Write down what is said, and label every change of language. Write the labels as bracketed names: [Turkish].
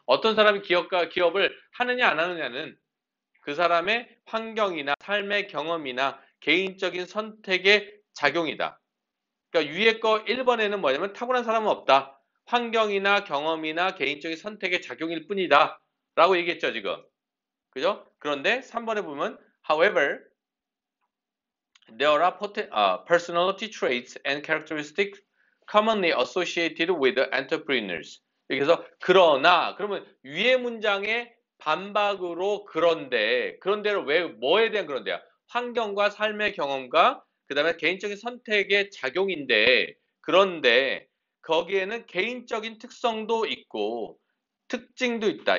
[Korean] 어떤 사람이 기업을 하느냐, 안 하느냐는 그 사람의 환경이나 삶의 경험이나 개인적인 선택의 작용이다. 그러니까 위에 거 1번에는 뭐냐면 타고난 사람은 없다. 환경이나 경험이나 개인적인 선택의 작용일 뿐이다. 라고 얘기했죠, 지금. 그죠? 그런데 3번에 보면 [English] However, there are personality traits and characteristics commonly associated with entrepreneurs. [Korean] 이렇게 해서 그러나, 그러면 위에 문장의 반박으로 그런데, 그런데를 왜, 뭐에 대한 그런데야? 환경과 삶의 경험과 그 다음에 개인적인 선택의 작용인데, 그런데 거기에는 개인적인 특성도 있고 특징도 있다.